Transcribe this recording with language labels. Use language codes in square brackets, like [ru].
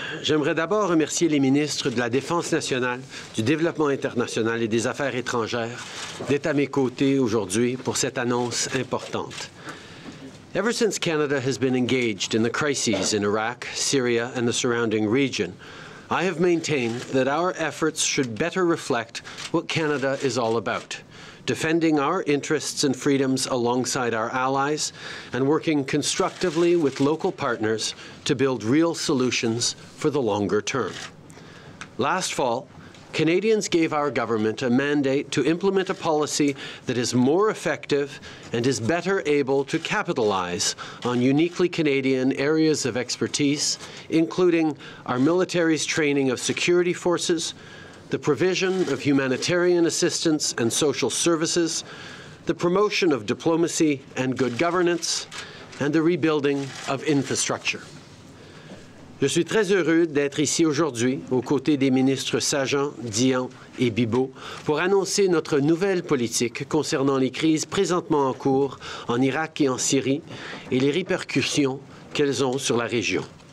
[fr] J'aimerais d'abord remercier les ministres de la Défense nationale, du Développement international et des Affaires étrangères d'être à mes côtés aujourd'hui pour cette annonce importante. [en] Ever since Canada has been engaged in the crises in Iraq, Syria, and the surrounding region, I have maintained that our efforts should better reflect what Canada is all about, defending our interests and freedoms alongside our allies and working constructively with local partners to build real solutions for the longer term. Last fall, Canadians gave our government a mandate to implement a policy that is more effective and is better able to capitalize on uniquely Canadian areas of expertise, including our military's training of security forces, the provision of humanitarian assistance and social services, the promotion of diplomacy and good governance, and the rebuilding of infrastructure. [fr] Je suis très heureux d'être ici aujourd'hui aux côtés des ministres Sajjan, Dion et Bibeau pour annoncer notre nouvelle politique concernant les crises présentement en cours en Irak et en Syrie et les répercussions qu'elles ont sur la région.